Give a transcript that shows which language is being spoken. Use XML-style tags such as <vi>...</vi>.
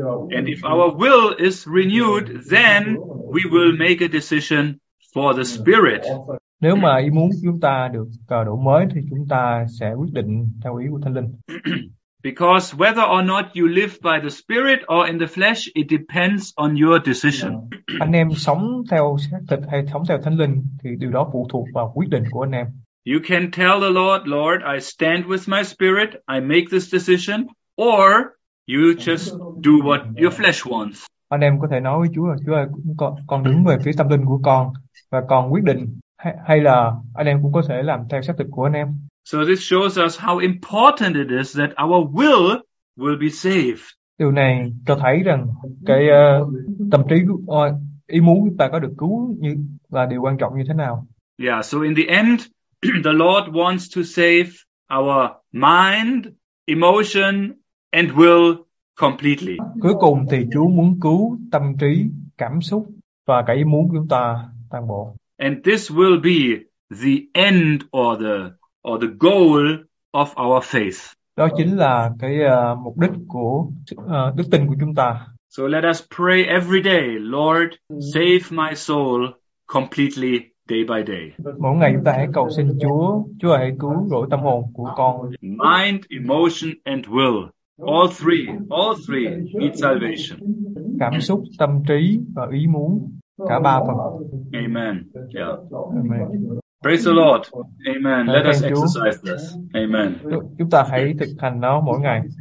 <en>And if our will is renewed, then we will make a decision for the Spirit.</en> <vi>Nếu mà ý muốn chúng ta được đổ mới thì chúng ta sẽ quyết định theo ý của Thánh Linh.</vi> <en>Because whether or not you live by the spirit or in the flesh, it depends on your decision.</en> <vi>Anh em sống theo xác thịt hay sống theo thánh linh thì điều đó phụ thuộc vào quyết định của anh em.</vi> <en>You can tell the Lord, Lord, I stand with my spirit, I make this decision, or you just do what your flesh wants.</en> <vi>Anh em có thể nói với Chúa là Chúa ơi, con đứng về phía tâm linh của con và con quyết định, hay là anh em cũng có thể làm theo xác thịt của anh em.</vi> <en>So this shows us how important it is that our will be saved.</en> <vi>Điều này cho thấy rằng cái tâm trí ý muốn chúng ta có được cứu như là điều quan trọng như thế nào.</vi> <en>Yeah, so in the end the Lord wants to save our mind, emotion and will completely.</en> <vi>Cuối cùng thì Chúa muốn cứu tâm trí, cảm xúc và cả ý muốn chúng ta toàn bộ.</vi> <en>And this will be the end or the goal of our faith.</en> <vi>Đó chính là cái mục đích của đức tin của chúng ta.</vi> <en>So let us pray every day, Lord, save my soul completely day by day.</en> <vi>Mỗi ngày chúng ta hãy cầu xin Chúa hãy cứu rỗi tâm hồn của con.</vi> <en>Mind, emotion and will, all three need salvation.</en> <vi>Cảm xúc, tâm trí và ý muốn, cả ba phần.</vi> <en>Amen. Yeah. Amen. Praise the Lord. Amen. Let us exercise this. Amen.</en> <vi>Chúng ta hãy thực hành nó mỗi ngày.</vi>